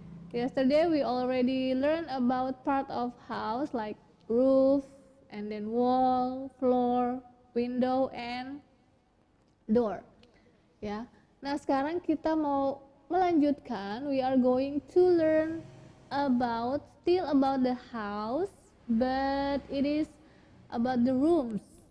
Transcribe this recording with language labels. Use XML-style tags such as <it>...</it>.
<en>Yesterday we already learned about part of house like roof and then wall, floor, window, and door.</en> <id>Ya. Nah, sekarang kita mau melanjutkan.</id> <en>We are going to learn about, still about the house, but it is about the rooms.</en>